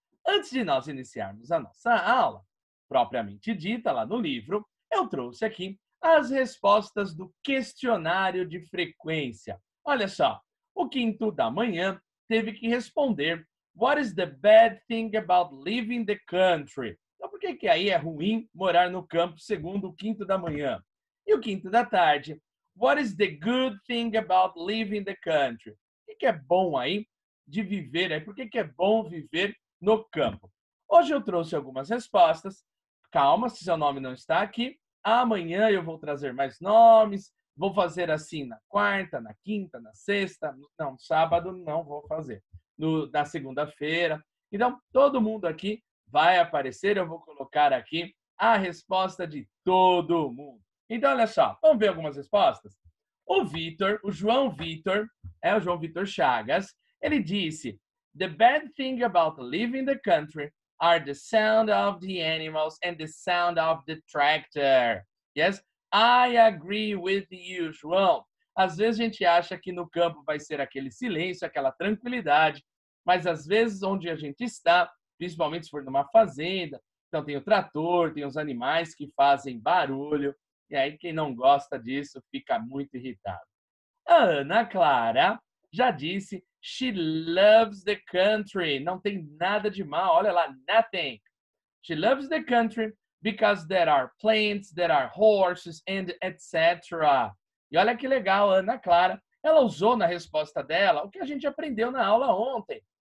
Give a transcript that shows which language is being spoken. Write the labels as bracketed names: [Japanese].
[Portuguese] Antes de nós iniciarmos a nossa aula, propriamente dita lá no livro, eu trouxe aqui as respostas do questionário de frequência. Olha só, o quinto da manhã teve que responder [English] What is the bad thing about living the country? [Portuguese] Então, por que que aí é ruim morar no campo segundo o quinto da manhã? E o quinto da tarde, [English] What is the good thing about living the country? [Portuguese] O que é bom aí de viver? Por que que é bom viver no campo? Hoje eu trouxe algumas respostas. Calma, se seu nome não está aqui. Amanhã eu vou trazer mais nomes. Vou fazer assim na quarta, na quinta, na sexta. Não, sábado não vou fazer. Na segunda-feira. Então, todo mundo aqui vai aparecer. Eu vou colocar aqui a resposta de todo mundo. Então, olha só. Vamos ver algumas respostas? O Vitor, o João Vitor, é o João Vitor Chagas, ele disse... [English] The bad thing about living the country are the sound of the animals and the sound of the tractor. Yes, I agree with you, João. [Portuguese] Às vezes a gente acha que no campo vai ser aquele silêncio, aquela tranquilidade, mas às vezes onde a gente está, principalmente se for numa fazenda, então tem o trator, tem os animais que fazem barulho, e aí quem não gosta disso fica muito irritado. A Ana Clara já disse... [English] She loves the country. [Portuguese] Não tem nada de mal. Olha lá, nothing. [English] She loves the country because there are plants, there are horses, and etc. [Portuguese] E olha que legal, Ana Clara. Ela usou na resposta dela o que a gente aprendeu na aula ontem.